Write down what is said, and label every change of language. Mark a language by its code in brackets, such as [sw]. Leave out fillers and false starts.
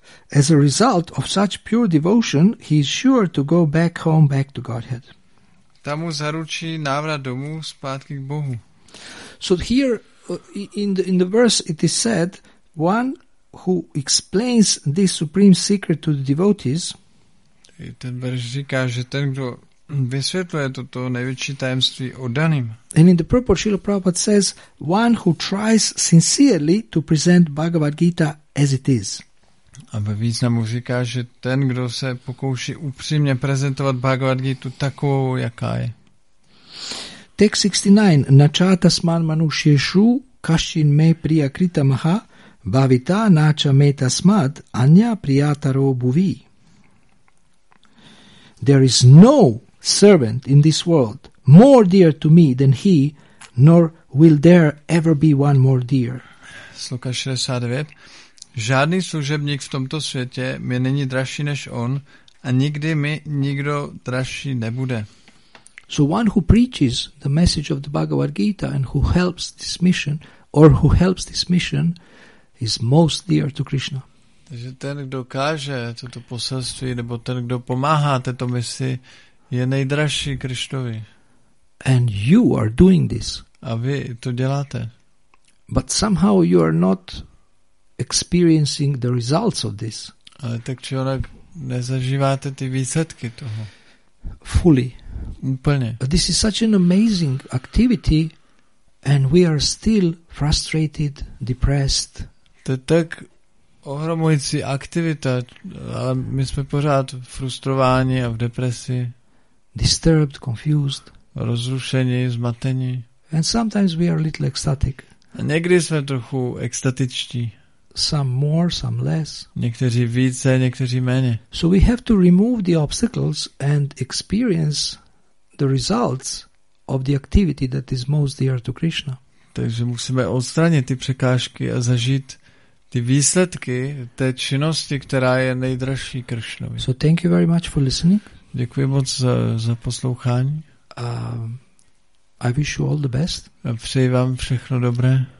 [en] As a result of such pure devotion, he is sure to go back home, back to Godhead. [cs] Tam mu zaručí návrat domů zpátky k Bohu. [en] So here in the verse it is said, one who explains this supreme secret to the devotees. [cs] Ten verš říká, že ten, kdo vysvětluje toto největší tajemství oddaným. [en] And in the purport Srila Prabhupada says, one who tries sincerely to present Bhagavad Gita as it is. [cs] A ve významu říká, že ten, kdo se pokouší upřímně prezentovat Bhagavad Gita takovou, jaká je. [en] Text 69. [sa] Načata sman manušyeshu kashin me priya krita maha bhavita nača meta smad anya priyataro bhuvi. [en] There is no servant in this world more dear to me than he, nor will there ever be one more dear. [cs] Sloka 69. Žádný služebník v tomto světě mi není dražší než on A nikdy mi nikdo dražší nebude. [en] So one who preaches the message of the Bhagavad Gita and who helps this mission, or who helps this mission, is most dear to Krishna. [cs] Takže ten, kdo káže toto poselství, nebo ten, kdo pomáhá této misi, je nejdražší Krištovi. [en] And you are doing this. [cs] A vy to děláte. [en] But somehow you are not experiencing the results of this. [cs] Ale tak či onak nezažíváte ty výsledky toho. [en] Fully. [cs] Úplně. [en] This is such an amazing activity and we are still frustrated, depressed. [cs] To je tak ohromující aktivita, ale my jsme pořád frustrováni a v depresi. [en] Disturbed, confused. [cs] Rozrušení, zmatení. [en] And sometimes we are a little ecstatic. [cs] A někdy jsme trochu extatičtí. [en] Some more, some less. [cs] Někteří více, někteří méně. [en] So we have to remove the obstacles and experience the results of the activity that is most dear to Krishna. [cs] Takže musíme odstranit ty překážky a zažít ty výsledky té činnosti, která je nejdražší Krishnovi. [en] So thank you very much for listening. [cs] Děkuji moc za poslouchání. [en] I wish you all the best. [cs] A přeji vám všechno dobré.